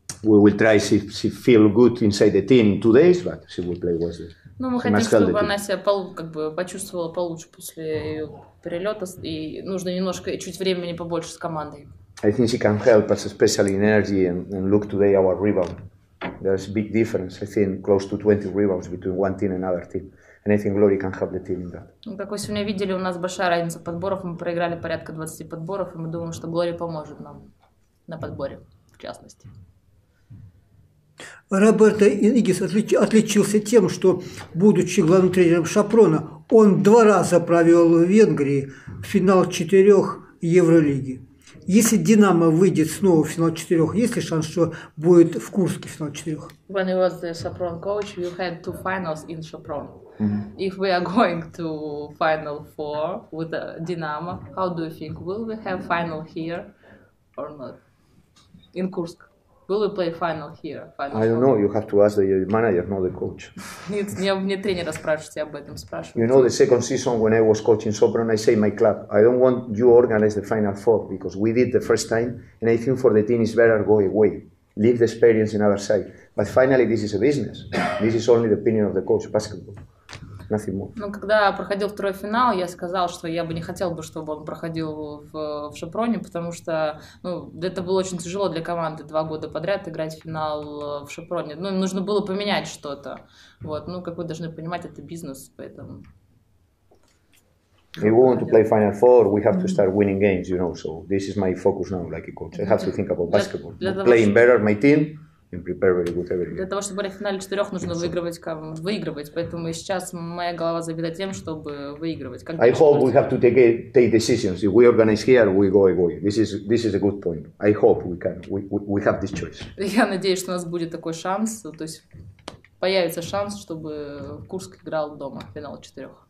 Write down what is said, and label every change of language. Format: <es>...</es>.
<en>We will try to see feel good inside the team in 2 days, but she will play Wednesday.</en> <ru>Ну, мы хотим, чтобы она себя почувствовала получше после ее перелета, и нужно немножко чуть времени побольше с командой.</ru> <en>I think she can help us, especially in energy, and look today our rebound. There's a big difference, I think, close to 20 rebounds between one team and another team. And I think Glory can help the team in that.</en> <ru>Как вы сегодня видели, у нас большая разница подборов, мы проиграли порядка 20 подборов, и мы думаем, что Glory поможет нам на подборе, в частности. Роберто Игис отличился тем, что, будучи главным тренером Шапрона, он два раза провел в Венгрии финал четырех Евролиги. Если Динамо выйдет снова в финал четырех, есть ли шанс, что будет в Курске финал четырех?</ru> <en>When you were the Sopron coach, you had two finals in Sopron. If we are going to final four with the Динамо, how do you think? Will we have final here or not? In Курск. Will we play final here? Final I don't know. You have to ask the manager, not the coach.</en> <ru>Нет, не тренера спрашивайте об этом. Спрашивайте.</ru> <en>You know, the second season when I was coaching Sopron, I say my club, I don't want you organize the final four because we did the first time, and I think for the team it's better go away, leave the experience in other side. But finally, this is a business. This is only the opinion of the coach, basketball. Nothing more.</en> <ru>Ну, когда проходил второй финал, я сказал, что я бы не хотел бы, чтобы он проходил в Шепроне, потому что, ну, это было очень тяжело для команды 2 года подряд играть финал в Шепроне. Ну, нужно было поменять что-то. Вот. Ну, как вы должны понимать, это бизнес, поэтому...</ru> <en>If we want to play Final Four, we have to start winning games, you know, so this is my focus now, like a coach. I have to think about basketball, playing better my team and prepare very good every game.</en> <ru>Для того, чтобы играть в финале 4, нужно выигрывать, поэтому сейчас моя голова забита тем, чтобы выигрывать.</ru> <en>I hope we have to take decisions. If we organize here, we go away. This is a good point. I hope we can. We have this choice.</en> <ru>Я надеюсь, что у нас будет такой шанс, то есть появится шанс, чтобы Курск играл дома в финале 4.</ru>